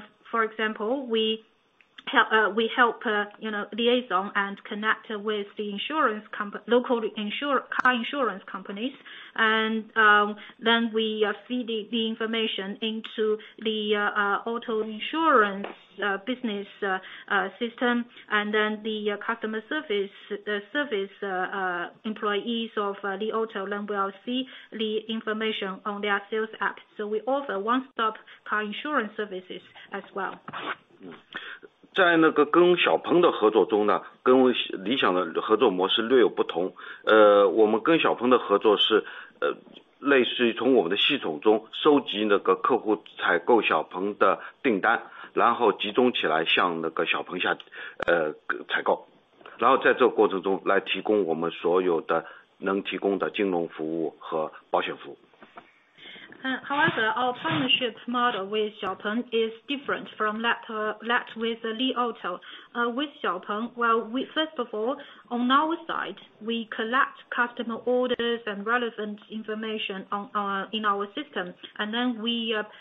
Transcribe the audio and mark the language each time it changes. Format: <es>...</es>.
<en>For example, we help liaison and connect with the insurance car insurance companies, and then we feed the information into the auto insurance business system, and then the customer service employees of the auto then will see the information on their sales app. So we offer one-stop car insurance services as well.</en> <zh>在那个跟XPeng的合作中呢，跟理想的合作模式略有不同。我们跟XPeng的合作是，类似于从我们的系统中收集那个客户采购XPeng的订单，然后集中起来向那个XPeng下，采购，然后在这个过程中来提供我们所有的能提供的金融服务和保险服务。</zh> <en>However, our partnership model with XPeng is different from that with Li Auto. With XPeng, first of all, on our side, we collect customer orders and relevant information in our system, and then we</en>